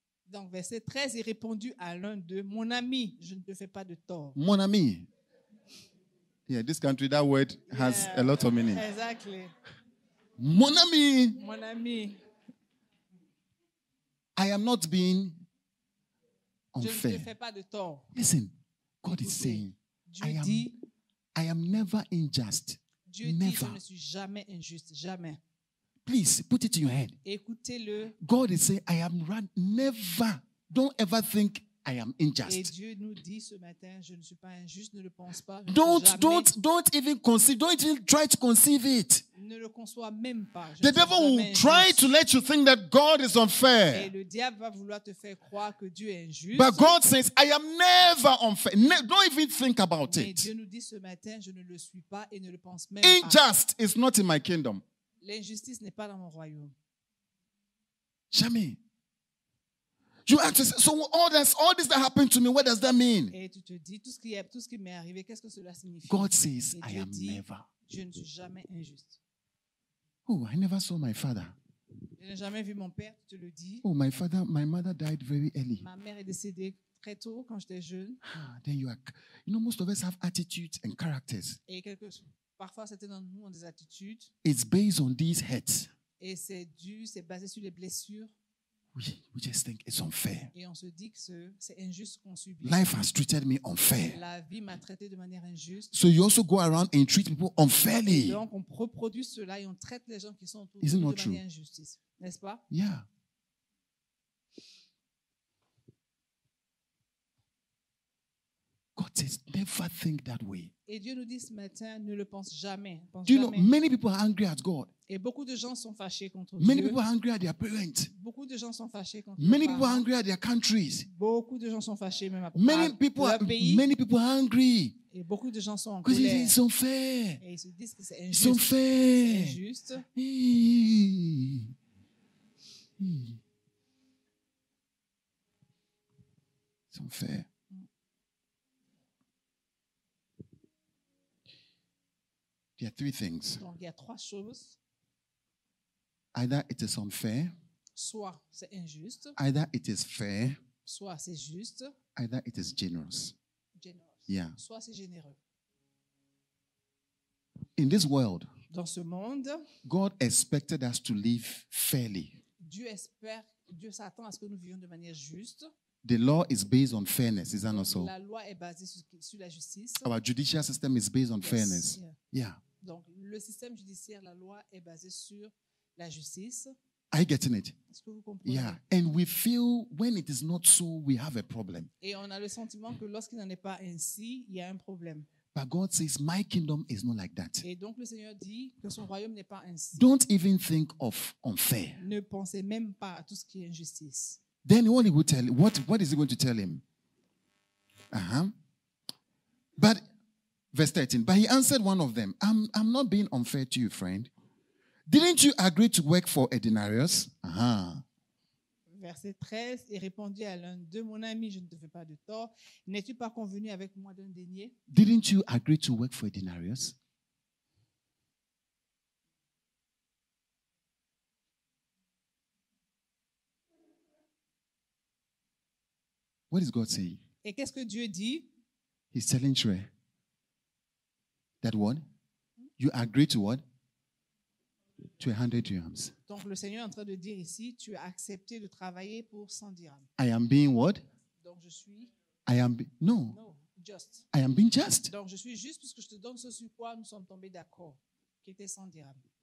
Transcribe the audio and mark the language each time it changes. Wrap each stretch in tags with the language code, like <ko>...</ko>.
<fr>Donc verset 13, il répondit à l'un d'eux, mon ami, je ne te fais pas de tort. Mon ami.</fr> <en>Yeah, this country, that word has a lot of meaning. Exactly.</en> <fr>Mon ami. Mon ami.</fr> <en>I am not being unfair.</en> <fr>Je ne te fais pas de tort.</fr> <en>Listen, God is saying, I am never unjust.</en> <fr>Dieu</fr> <en>never.</en> <fr>Dit, je ne suis jamais injuste, jamais.</fr> <en>Please put it in your head.</en> <fr>Écoutez-le.</fr> <en>God is saying, I am never. Don't ever think I am unjust.</en> <fr>Et Dieu nous dit ce matin, je ne suis pas injuste, ne le pense pas.</fr> <en>Don't even try to conceive it.</en> <fr>Ne le conçois même pas.</fr> <en>The devil will try to let you think that God is unfair.</en> <fr>Et le diable va vouloir te faire croire que Dieu est injuste.</fr> <en>But God says, I am never unfair. Don't even think about it.</en> <fr>Mais Dieu nous dit ce matin, je ne le suis pas et ne le pense même pas.</fr> <en>Unjust is not in my kingdom.</en> <fr>L'injustice n'est pas dans mon royaume. Jamais.</fr> <en>You ask yourself, so all this that happened to me, what does that mean?</en> <fr>Et tu te dis, tout ce qui m'est arrivé, qu'est-ce que cela signifie?</fr> <en>God says, I am never.</en> <fr>Je ne suis jamais injuste.</fr> <en>Oh, I never saw my father.</en> <fr>Je n'ai jamais vu mon père, tu te le dis.</fr> <en>Oh, my mother died very early.</en> <fr>Ma mère est décédée très tôt quand j'étais jeune.</fr> <en>Then you know, most of us have attitudes and characters.</en> <fr>Et quelque chose. Parfois, c'était dans nous, dans des attitudes.</fr> <en>It's based on these hurts.</en> <fr>Et c'est basé sur les blessures.</fr> <en>Oui, we just think it's unfair.</en> <fr>Et on se dit que c'est injuste qu'on subit.</fr> <en>Life has treated me unfair.</en> <fr>La vie m'a traité de manière injuste.</fr> <en>So you also go around and treat people unfairly.</en> <fr>Et donc on reproduit cela et on traite les gens qui sont autour de manière injuste, n'est-ce pas?</fr> <en>Yeah. God says, never think that way.</en> <fr>Et Dieu nous dit ce matin, ne le pense jamais.</fr> <en>Many people are angry at God.</en> <fr>Et beaucoup de gens sont fâchés contre</fr> <en>many</en> <fr>Dieu.</fr> <en>Many people are angry at their parents.</en> <fr>Beaucoup de gens sont fâchés contre</fr> <en>many people are angry at their countries.</en> <fr>Beaucoup de gens sont fâchés même à</fr> <en>many people</en> <fr>leur pays.</fr> <en>Many people are angry.</en> <fr>Et beaucoup de gens sont en colère. Ils sont faits. Et ils se disent que c'est injuste. Ils sont faits. C'est injuste. Ils sont faits. Il y a trois choses. Donc, il y a trois choses.</fr> <en>Either it is unfair.</en> <fr>Soit c'est injuste.</fr> <en>Either it is fair.</en> <fr>Soit c'est juste.</fr> <en>Either it is generous. Generous. Yeah.</en> <fr>Soit c'est généreux.</fr> <en>In this world,</en> <fr>dans ce monde,</fr> <en>God expected us to live fairly.</en> <fr>Dieu s'attend à ce que nous vivions de manière juste.</fr> <en>The law is based on fairness, is that not so?</en> <fr>La loi est basée sur la justice.</fr> <en>Our judicial system is based on fairness. Yeah.</en> <fr>Donc le système judiciaire, la loi est basée sur la justice.</fr> <en>Are you getting it?</en> <fr>Est-ce que vous comprenez?</fr> <en>Yeah. And we feel when it is not so, we have a problem.</en> <fr>Et on a le sentiment que lorsqu'il n'en est pas ainsi, il y a un problème.</fr> <en>But God says, my kingdom is not like that.</en> <fr>Et donc le Seigneur dit que son royaume n'est pas ainsi.</fr> <en>Don't even think of unfair.</en> <fr>Ne pensez même pas à tout ce qui est injustice.</fr> <en>Then what he will tell? What is he going to tell him? But verse 13. But he answered one of them. I'm not being unfair to you, friend. Didn't you agree to work for a denarius?</en> <fr>Verset 13. Il répondit à l'un d'eux, mon ami, je ne te fais pas de tort. N'es-tu pas convenu avec moi d'un denier?</fr> <en>Didn't you agree to work for a denarius? What is God saying?</en> <fr>Et qu'est-ce que Dieu dit?</fr> <en>He's telling Trey that one, You agree to what? To 100 dirhams.</en> <fr>Donc le Seigneur est en train de dire ici, tu as accepté de travailler pour 100 dirhams.</fr> <en>I am being what?</en> <fr>Donc je suis.</fr> <en>I am just. I am being just.</en> <fr>Donc je suis juste parce que je te donne ce sur quoi nous sommes tombés d'accord, qui était 100 dirhams.</fr>